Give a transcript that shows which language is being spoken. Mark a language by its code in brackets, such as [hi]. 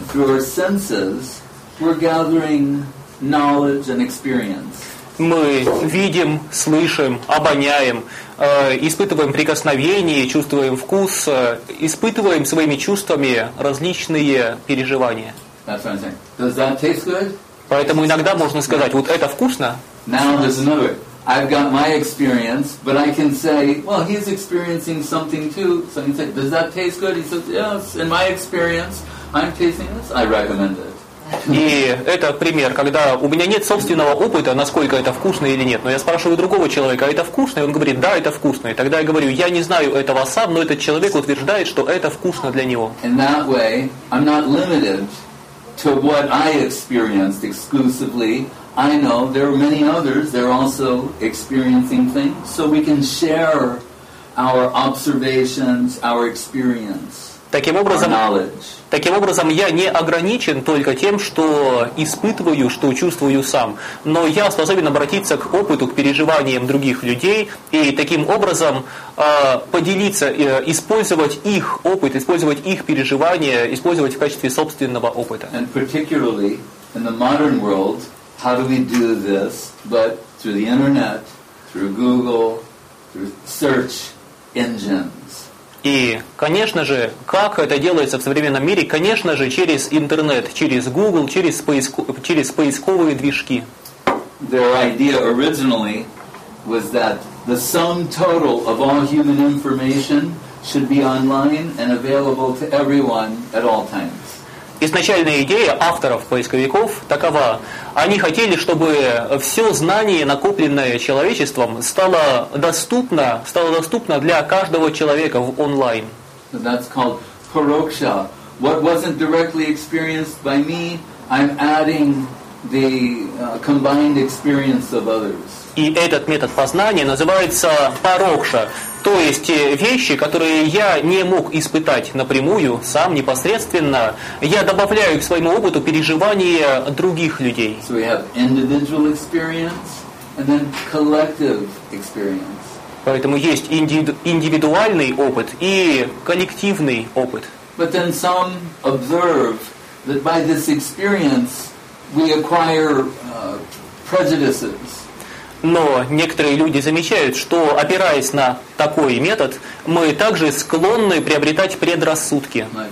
[en] Through our senses, we're gathering knowledge and experience. [ru] Мы видим, слышим, обоняем, испытываем прикосновение, чувствуем вкус, испытываем своими чувствами различные переживания. [en] That's what I'm saying. Does that taste good? [ru] Поэтому иногда можно сказать, вот это вкусно. [en] Now there's another. I've got my experience, but I can say, well, he's experiencing something too. So I can say, does that taste good? He says, yes, in my experience, I'm tasting this, I recommend it. [ru] И это пример, когда у меня нет собственного опыта, насколько это вкусно или нет. Но я спрашиваю другого человека, а это вкусно? И он говорит, да, это вкусно. И тогда я говорю, я не знаю этого сам, но этот человек утверждает, что это вкусно для него. [en] Our observations, our experience. [ru] Таким образом, я не ограничен только тем, что испытываю, что чувствую сам. Но я способен обратиться к опыту, к переживаниям других людей и таким образом поделиться, использовать их опыт, использовать их переживания, использовать в качестве собственного опыта. [en] And particularly in the modern world, how do we do this? But through the internet, through Google, through search engines. [ru] И, конечно же, как это делается в современном мире? Конечно же, через интернет, через Google, через поисковые движки. [en] Their idea originally was that the sum total of all human information should be online and available to everyone at all times. [ru] Изначальная идея авторов поисковиков такова. Они хотели, чтобы все знание, накопленное человечеством, стало доступно для каждого человека в онлайн. [en] That's called paroksha. What wasn't directly experienced by me, I'm adding the combined experience of others. [ru] И этот метод познания называется парокша. То есть вещи, которые я не мог испытать напрямую, сам, непосредственно, я добавляю к своему опыту переживания других людей. [en] So we have individual experience and then collective experience. [ru] Поэтому есть индивидуальный опыт и коллективный опыт. [en] But then some observe that by this experience we acquire prejudices. [ru] Но некоторые люди замечают, что, опираясь на такой метод, мы также склонны приобретать предрассудки.